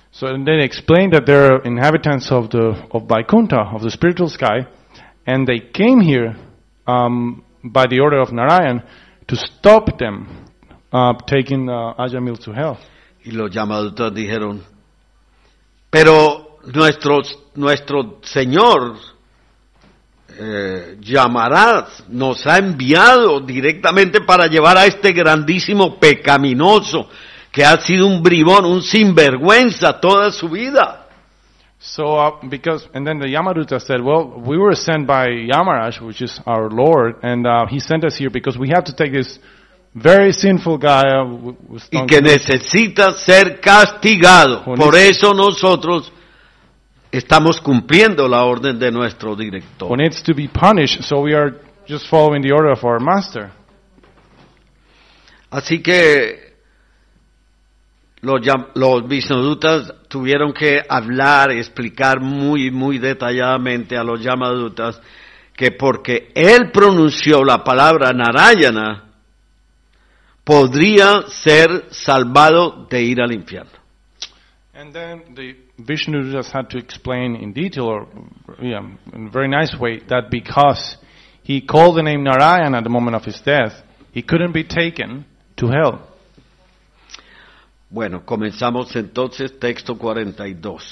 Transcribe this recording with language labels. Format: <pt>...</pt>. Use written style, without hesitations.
<en>So and they explained that they're inhabitants of Vaikunta, of the spiritual sky, and they came here by the order of Narayan to stop them taking Ajamil to hell.</en> <es>Y los Yamadutas dijeron, pero nuestro señor Llamarás nos ha enviado directamente para llevar a este grandísimo pecaminoso que ha sido un bribón, un sinvergüenza toda su vida.</es> <en>So because and then the Yamaruta said, well, we were sent by Llamarás, which is our Lord, and he sent us here because we have to take this very sinful guy</en> <es>y que necesita ser castigado. Por eso nosotros estamos cumpliendo la orden de nuestro director.</es> <en>When it's to be punished, so we are just following the order of our master.</en> <es>Así que los Visnodutas tuvieron que hablar, explicar muy, muy detalladamente a los Yamadutas que porque él pronunció la palabra Narayana, podría ser salvado de ir al infierno.</es> <en>And then the Vishnu just had to explain in detail, or yeah, in a very nice way, that because he called the name Narayan at the moment of his death, he couldn't be taken to hell.</en> <es>Bueno, comenzamos entonces texto 42.</es>